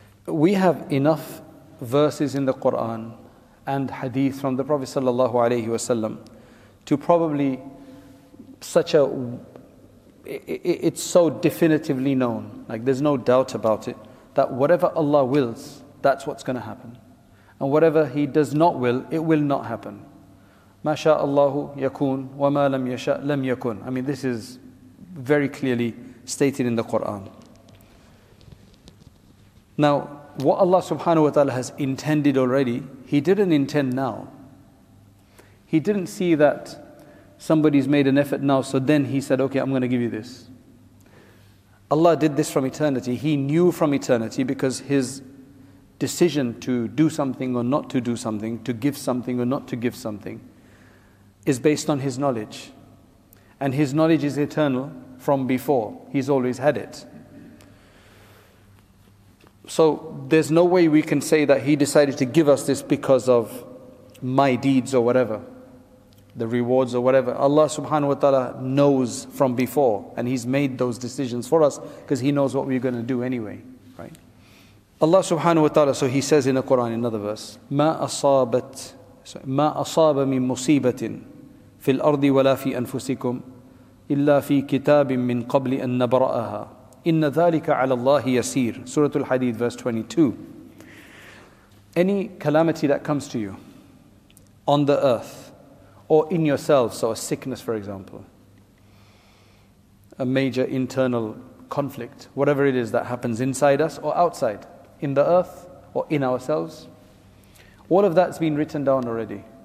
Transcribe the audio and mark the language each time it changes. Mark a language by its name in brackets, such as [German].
[English] We have enough verses in the Qur'an and hadith from the Prophet sallallahu alayhi wa sallam to probably such a... It's so definitively known, like there's no doubt about it, that whatever Allah wills, that's what's going to happen. And whatever He does not will, it will not happen. [Arabic] ما شاء الله يكون وما لم يشاء لم يكن. [English] I mean, this is very clearly stated in the Quran. Now, what Allah subhanahu wa ta'ala has intended already, He didn't intend now. He didn't see that somebody's made an effort now, so then He said, okay, I'm going to give you this. Allah did this from eternity. He knew from eternity, because His decision to do something or not to do something, to give something or not to give something, is based on His knowledge. And His knowledge is eternal from before. He's always had it. So there's no way we can say that He decided to give us this because of my deeds or whatever, the rewards or whatever. Allah subhanahu wa ta'ala knows from before, and He's made those decisions for us because He knows what we're going to do anyway, right? Allah subhanahu wa ta'ala, so He says in the Quran, another verse, [Arabic] ما أصاب من مصيبة في الأرض ولا في أنفسكم إلا في كتاب من قبل أن نبرأها إن ذلك على الله يسير. [English] Surah Al-Hadid, verse 22. Any calamity that comes to you on the earth or in yourself, so a sickness, for example, a major internal conflict, whatever it is that happens inside us or outside, in the earth or in ourselves, all of that's been written down already.